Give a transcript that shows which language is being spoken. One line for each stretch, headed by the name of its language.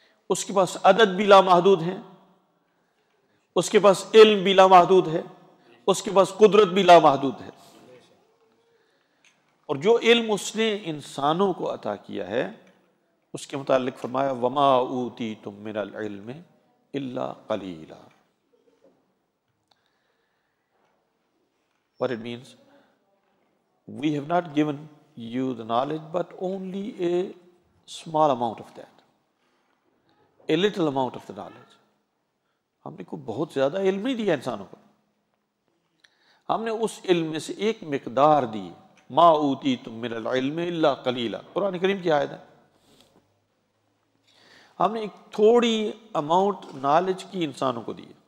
Urdu: اس کے پاس عدد بھی لامحدود ہیں، اس کے پاس علم بھی لامحدود ہے، اس کے پاس قدرت بھی لامحدود ہے. اور جو علم اس نے انسانوں کو عطا کیا ہے، اس کے متعلق فرمایا
Arabic: وما اوتیتم من العلم الا قلیلا.
English: What it means, we have not given you the knowledge but only a small amount of that, a little amount of the knowledge.
Urdu: ہم نے کوئی بہت زیادہ علم نہیں دیا انسانوں کو، ہم نے اس علم میں سے ایک مقدار دی.
Arabic: ما اوتیتم من العلم الا قلیلا،
Urdu: قرآن کریم کی آیت ہے. ہم نے ایک تھوڑی اماؤنٹ نالج کی انسانوں کو دی.